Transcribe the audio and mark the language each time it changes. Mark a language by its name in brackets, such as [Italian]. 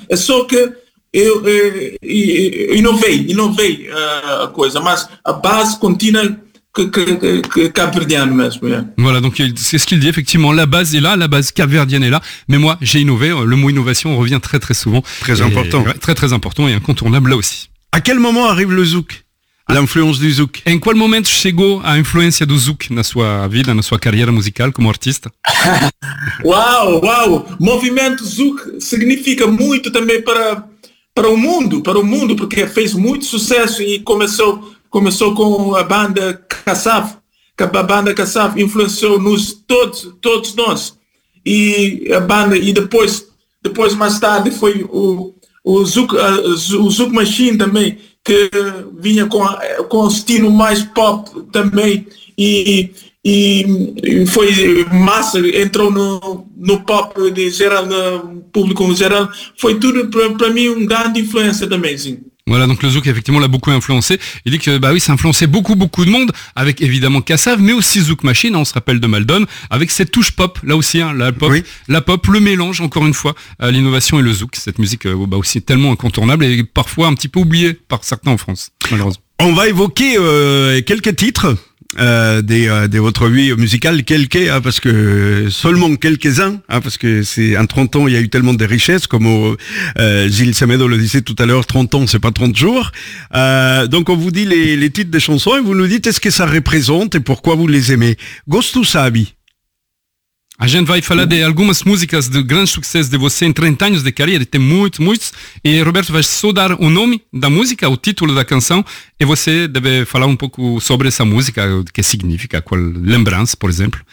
[Portuguese] É só que eu inovei a coisa, mas a base continua capverdiano mesmo, [French] Voilà, donc c'est ce qu'il dit, effectivement, la base capverdienne est là, mais moi j'ai innové, le mot innovation revient très très souvent. Très important et incontournable là aussi. À quel moment arrive le zouk, l'influence du zouk? [Portuguese] En quel moment chegou a influência do zouk na sua vida, na sua [French] carrière musicale comme artiste? [Portuguese] Waouh, movimento zouk significa muito também para o mundo, porque fez muito sucesso e começou com a banda Kassav, que a banda Kassav influenciou-nos todos nós. E a banda, e depois mais tarde, foi o Zouk Machine também, que vinha com estilo mais pop também, e foi massa, entrou no pop de geral, no público em geral. Foi tudo para mim uma grande influência também, sim. [French] Voilà, donc le zouk effectivement l'a beaucoup influencé. Il dit que bah oui, ça a influencé beaucoup beaucoup de monde, avec évidemment Kassav, mais aussi Zouk Machine. On se rappelle de Maldon avec cette touche pop là aussi, hein, la pop, oui. La pop, le mélange encore une fois, l'innovation et le zouk. Cette musique bah aussi tellement incontournable et parfois un petit peu oubliée par certains en France, malheureusement. On va évoquer quelques titres. Des votre vie musicale quelques, hein, parce que seulement quelques-uns, hein, parce que c'est en 30 ans il y a eu tellement de richesses, comme Gilles Semedo le disait tout à l'heure, 30 ans c'est pas 30 jours. Donc on vous dit les titres des chansons et vous nous dites est-ce que ça représente et pourquoi vous les aimez. [Portuguese] Gosto Sabi. A gente vai falar de algumas músicas de grande sucesso de você em 30 anos de carreira, tem muitos, muitos. E Roberto vai só dar o nome da música, o título da canção, e você deve falar um pouco sobre essa música, o que significa, qual lembrança, por exemplo.